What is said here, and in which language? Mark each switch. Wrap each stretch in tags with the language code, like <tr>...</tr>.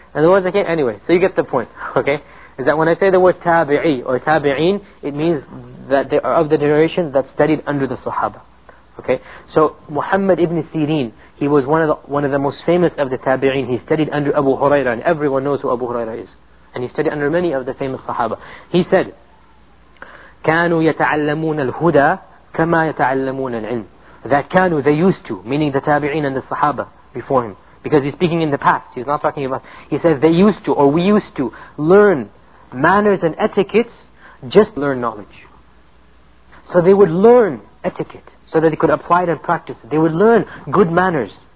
<en>And the ones that came, anyway, so you get the point, okay? Is that when I say the word Tabi'i or Tabi'in, it means that they are of the generation that studied under the Sahaba, okay? So Muhammad ibn Sirin, he was one of the most famous of the Tabi'in. He studied under Abu Hurairah, and everyone knows who Abu Hurairah is. And he studied under many of the famous Sahaba. He said,</en> <ar>كانوا يتعلمون الهدى كما يتعلمون العلم.</ar> <en>That كانوا, they used to, meaning the Tabi'een and the Sahaba before him. Because he's speaking in the past, he's not talking about, he says they used to, or we used to, learn manners and etiquettes, just learn knowledge. So they would learn etiquette, so that they could apply it and practice it. They would learn good manners.</en>